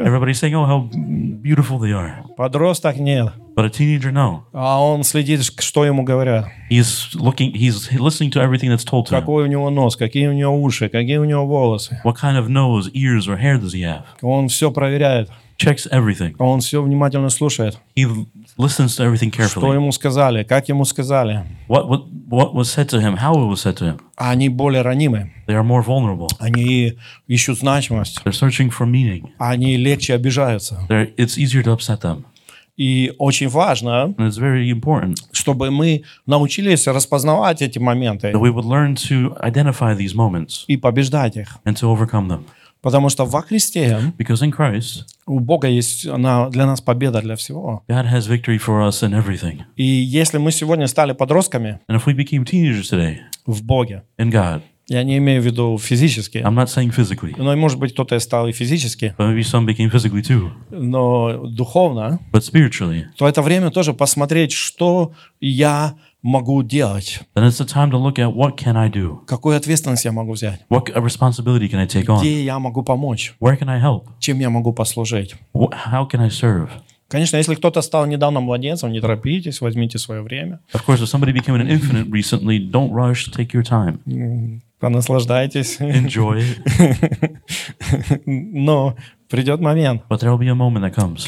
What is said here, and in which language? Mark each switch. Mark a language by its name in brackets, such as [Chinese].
[English] Everybody's saying, oh, how beautiful they are. [Russian] Подросток нет. [English] But a teenager, no. [Russian] А он следит, что ему говорят. [English] He's listening to everything that's told to him. [Russian] Какой у него нос, какие у него уши, какие у него волосы. [English] What kind of nose, ears, or hair does he have? [Russian] Он все проверяет. [English] Checks everything. [Russian] Он все внимательно слушает. [English] He listens to everything carefully. [Russian] Что ему сказали, как ему сказали. [English] What was said to him, how it was said to him. [Russian] Они более ранимы. [English] They are more vulnerable. [Russian] Они ищут значимость. [English] They're searching for meaning. [Russian] Они легче обижаются. [English] It's easier to upset them. [Russian] И очень важно, [English] and it's very important, [Russian] чтобы мы научились распознавать эти моменты. [English] That we would learn to identify these moments. [Russian] И побеждать их. [English] And to overcome them. [Russian] Потому что во Христе, [English] because in Christ, [Russian] у Бога есть она для нас победа для всего. [English] God has victory for us in everything. [Russian] И если мы сегодня стали подростками, [English] and if we became teenagers today, [Russian] в Боге, [English] in God, [Russian] я не имею в виду физически. [English] I'm not saying physically. [Russian] Но, может быть, кто-то стал и физически. [English] But maybe some became physically too. [Russian] Но духовно. [English] But spiritually. [Russian] То это время тоже посмотреть, что я могу делать. [English] Then it's the time to look at what can I do. [Russian] Какую ответственность я могу взять? [English] What responsibility can I take [Russian] где [English] on? [Russian] Где я могу помочь? [English] Where can I help? [Russian] Чем я могу послужить? [English] How can I serve? [Russian] Конечно, если кто-то стал недавно младенцем, не торопитесь, возьмите свое время. [English] Of course, if somebody became an infant recently, don't rush, take your time. [Russian] Понаслаждайтесь. [English] Enjoy. [Russian] Но придет момент. [English] But there will be a moment that comes.